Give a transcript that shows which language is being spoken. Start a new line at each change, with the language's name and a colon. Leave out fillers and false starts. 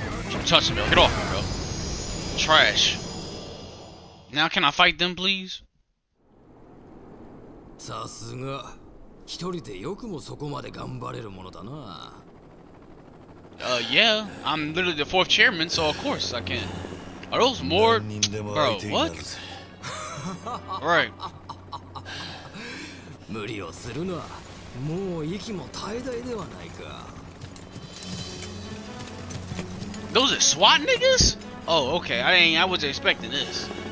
English: Keep touching me. Get off me, bro. Trash. Now, can I fight them, please?
Japanese: さすが。一人でよくもそこまで頑張れるものだな。
English: Yeah. I'm literally the fourth chairman, so of course I can. Are those more...
Japanese: 何人でも相手になるぜ。
English: Bro, what? Right.
Japanese: 無理をするな。もう息も絶え絶えではないか。
English: Those are SWAT niggas? Oh, okay. I wasn't expecting this.